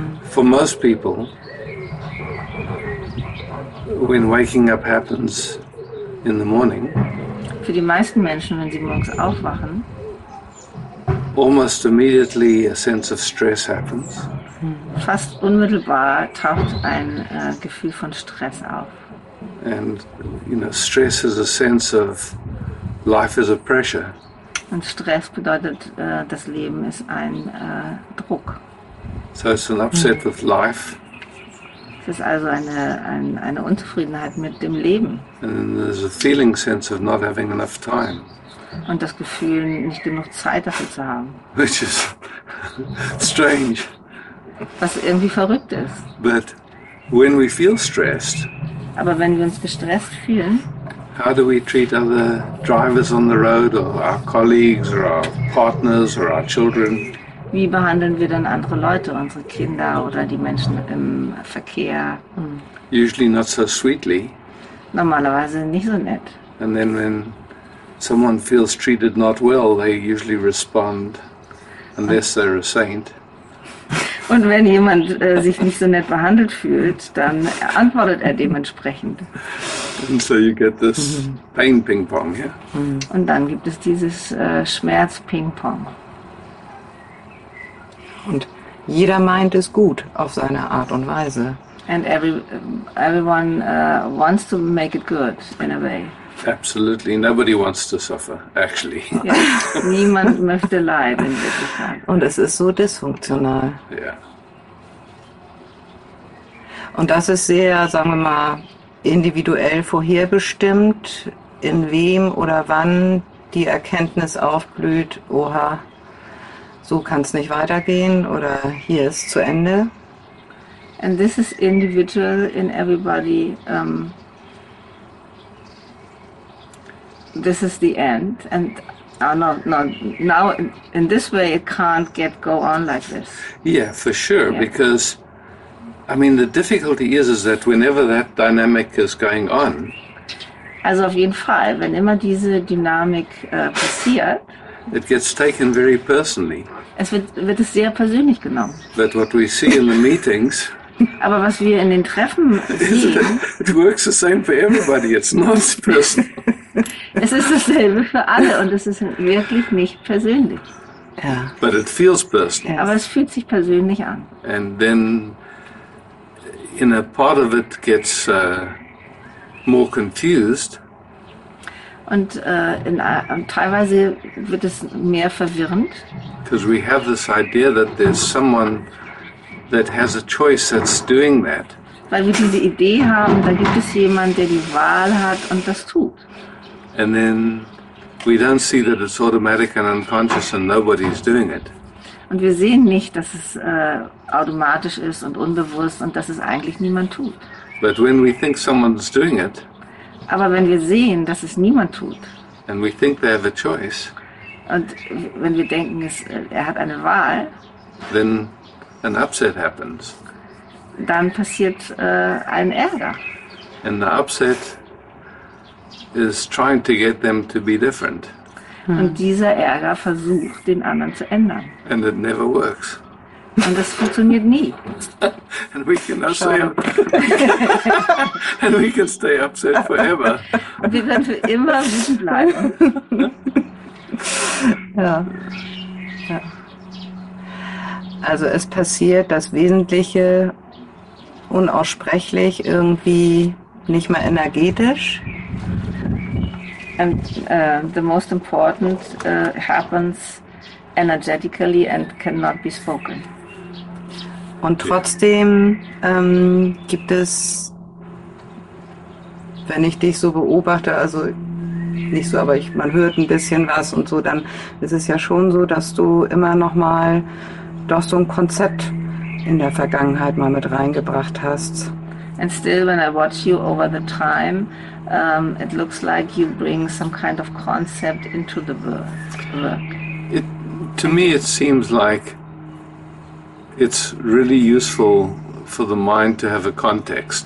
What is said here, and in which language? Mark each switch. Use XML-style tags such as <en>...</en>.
<en>For most people, when waking up happens in the morning,</en> <de>für die meisten Menschen, wenn sie morgens aufwachen,</de> <en>almost immediately a sense of stress happens.</en> <de>Fast unmittelbar taucht ein Gefühl von Stress auf.</de> <en>And you know, stress is a sense of life is a pressure.</en> <de>Und Stress bedeutet, das Leben ist ein Druck.</de> <en>So it's an upset with life.</en> <de>Es ist also eine Unzufriedenheit mit dem Leben.</de> <en>And there's a feeling sense of not having enough time.</en> <de>Und das Gefühl, nicht genug Zeit dafür zu haben.</de> <en>Which is strange.</en> <de>Was irgendwie verrückt ist.</de> <en>But when we feel stressed,</en> <de>aber wenn wir uns gestresst fühlen,</de> <en>how do we treat other drivers on the road or our colleagues or our partners or our children?</en> <de>Wie behandeln wir dann andere Leute, unsere Kinder oder die Menschen im Verkehr?</de> <en>Usually not so sweetly.</en> <de>Normalerweise nicht so nett.</de> <en>And then when someone feels treated not well, they usually respond, unless they're a saint.</en> <de>Und wenn jemand sich nicht so nett behandelt fühlt, dann antwortet er dementsprechend.</de> <en>And so you get this pain ping-pong, yeah?</en> <de>Und dann gibt es dieses Schmerz-Ping-Pong. Und jeder meint es gut auf seine Art und Weise.</de> <en>And everyone wants to make it good in a way. Absolutely, nobody wants to suffer, actually. Yeah.</en> <de>Niemand möchte leiden, in Wirklichkeit. Und es ist so dysfunktional.</de> <en>Yeah.</en> <de>Und das ist sehr, sagen wir mal, individuell vorherbestimmt, in wem oder wann die Erkenntnis aufblüht, oha, so kann es nicht weitergehen oder hier ist zu Ende.</de> <en>And this is individual in everybody. This is the end, and now in this way it can't go on like this. Yeah, for sure, yeah. Because I mean the difficulty is that whenever that dynamic is going on.</en> <de>Also auf jeden Fall, wenn immer diese Dynamik passiert.</de> <en>It gets taken very personally.</en> <de>Es wird es sehr persönlich genommen.</de> <en>But what we see in the meetings.</en> <de>Aber was wir in den Treffen sehen.</de> <en>It works the same for everybody. It's not personal.</en> <de>Es ist dasselbe für alle und es ist wirklich nicht persönlich. Ja.</de> <en>But it feels personal.</en> <de>Ja, aber es fühlt sich persönlich an.</de> <en>And then in a part of it gets more confused.</en> <de>Und teilweise wird es mehr verwirrend.</de> <en>Because we have this idea that there's someone that has a choice that's doing that.</en> <de>Weil wir diese Idee haben, da gibt es jemanden, der die Wahl hat und das tut.</de> <en>And then we don't see that it's automatic and unconscious and nobody's doing it.</en> <de>Und wir sehen nicht, dass es automatisch ist und unbewusst und dass es eigentlich niemand tut.</de> <en>But when we think someone's doing it,</en> <de>aber wenn wir sehen, dass es niemand tut,</de> <en>and we think they have a choice,</en> <de>und wenn wir denken, er hat eine Wahl,</de> <en>then an upset happens.</en> <de>Dann passiert ein Ärger.</de> <en>And the upset is trying to get them to be different.</en> <de>Und dieser Ärger versucht, den anderen zu ändern.</de> <en>And it never works.</en> <de>Und das funktioniert nie.</de> <en>And we can also and we can stay upset forever.</en> <de>Und wir werden für immer wütend bleiben. Ja. Ja. Also es passiert das Wesentliche unaussprechlich irgendwie nicht mehr energetisch.</de> <en>And the most important happens energetically and cannot be spoken.</en> <de>Und trotzdem gibt es, wenn ich dich so beobachte, also nicht so, aber man hört ein bisschen was und so, dann ist es ja schon so, dass du immer noch mal doch so ein Konzept in der Vergangenheit mal mit reingebracht hast.</de> <en>And still when I watch you over the time, it looks like you bring some kind of concept into the work. It, to me it seems like it's really useful for the mind to have a context.</en>